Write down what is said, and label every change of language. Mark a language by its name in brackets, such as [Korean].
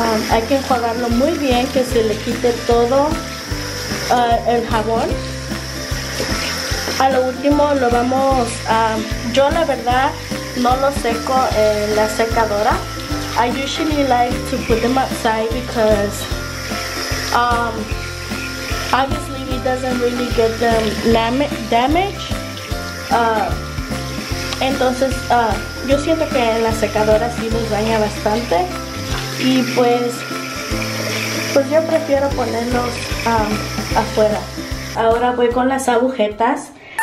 [Spanish] Hay que enjuagarlo muy bien, que se le quite todo el jabón. A lo último lo vamos a... yo la verdad no lo seco en la secadora. [English] I usually like to put them outside because obviously it doesn't really get them damage. [Spanish] Entonces yo siento que en la secadora sí los daña bastante. Y pues yo prefiero ponerlos afuera. Ahora voy con las agujetas.